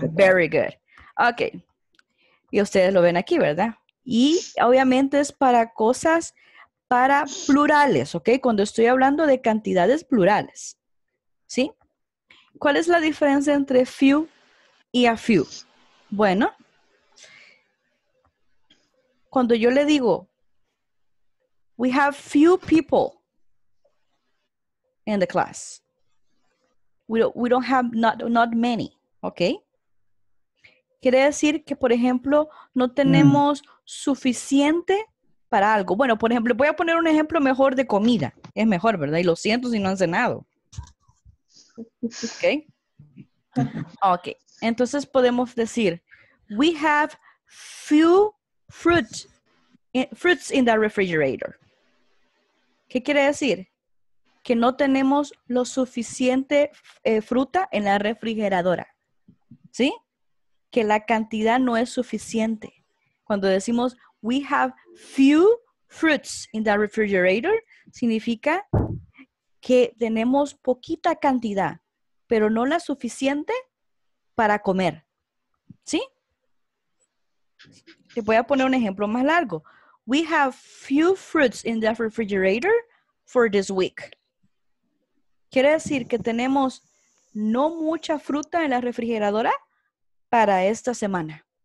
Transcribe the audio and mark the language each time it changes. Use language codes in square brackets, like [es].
[en] Very good. [es] Ok. Y ustedes lo ven aquí, ¿verdad? Y obviamente es para cosas para plurales, ¿ok? Cuando estoy hablando de cantidades plurales. ¿Sí? ¿Cuál es la diferencia entre few y a few? Bueno, cuando yo le digo, [en] we have few people in the class. We don't have not many, ¿ok? [es] Quiere decir que, por ejemplo, no tenemos suficiente para algo. Bueno, por ejemplo, voy a poner un ejemplo mejor de comida. Es mejor, ¿verdad? Y lo siento si no han cenado. ¿Ok? Ok. Entonces podemos decir, [en] we have few fruits in the refrigerator. [es] ¿Qué quiere decir? Que no tenemos lo suficiente fruta en la refrigeradora. ¿Sí? Que la cantidad no es suficiente. Cuando decimos, [en] we have few fruits in the refrigerator, [es] significa que tenemos poquita cantidad, pero no la suficiente para comer. ¿Sí? Te voy a poner un ejemplo más largo. [en] We have few fruits in the refrigerator for this week. [es] Quiere decir que tenemos no mucha fruta en la refrigeradora para esta semana.